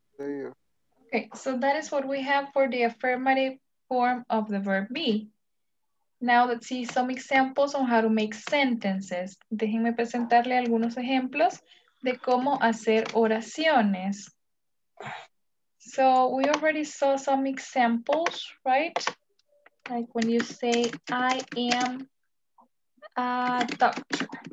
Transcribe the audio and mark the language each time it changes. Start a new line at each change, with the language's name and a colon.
English: Okay, so that is what we have for the affirmative form of the verb be. Now let's see some examples on how to make sentences.
Spanish: Déjenme presentarle algunos ejemplos de cómo hacer oraciones.
English: So we already saw some examples, right? Like when you say, I am a doctor.